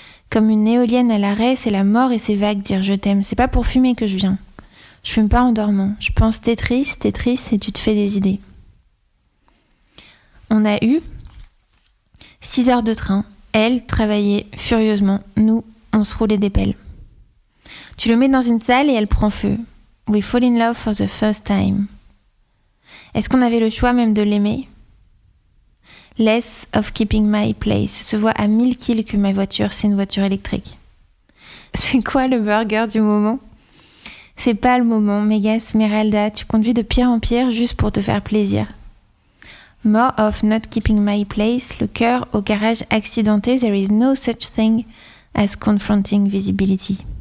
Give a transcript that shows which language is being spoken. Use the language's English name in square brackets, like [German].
[French] Comme une éolienne à l'arrêt, c'est la mort et ses vagues dire je t'aime. C'est pas pour fumer que je viens. Je fume pas en dormant. Je pense t'es triste et tu te fais des idées. On a eu 6 heures de train. Elle travaillait furieusement. Nous, on se roulait des pelles. Tu le mets dans une salle et elle prend feu. [English] We fall in love for the first time. [French] Est-ce qu'on avait le choix même de l'aimer? [English] Less of keeping my place. [French] Se voit à 1000 kills que ma voiture, c'est une voiture électrique. C'est quoi le burger du moment? C'est pas le moment, Mega Smeralda, tu conduis de pire en pire juste pour te faire plaisir. [English] More of not keeping my place, [French] le cœur au garage accidenté, [English] there is no such thing as confronting visibility.